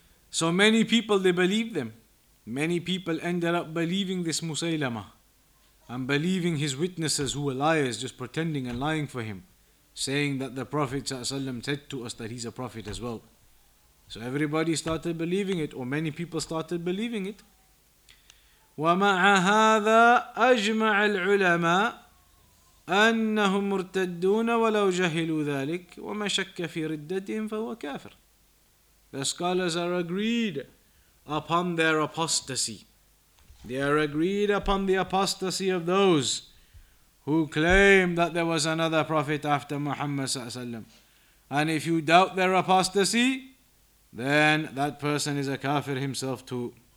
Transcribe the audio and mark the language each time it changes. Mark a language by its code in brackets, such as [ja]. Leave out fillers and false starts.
[en] So many people, they believed them. Many people ended up believing this Musaylama and believing his witnesses who were liars, just pretending and lying for him, saying that the Prophet ﷺ said to us that he's a prophet as well. So everybody started believing it, or many people started believing it. [ar] ومع هذا أجمع العلماء أنهم مرتدون ولو جهلوا ذلك وما شك في ردتهم فهو كافر. [en] The scholars are agreed upon their apostasy. They are agreed upon the apostasy of those who claim that there was another prophet after Muhammad sallallahu alaihi wasallam. And if you doubt their apostasy, then that person is a kafir himself too.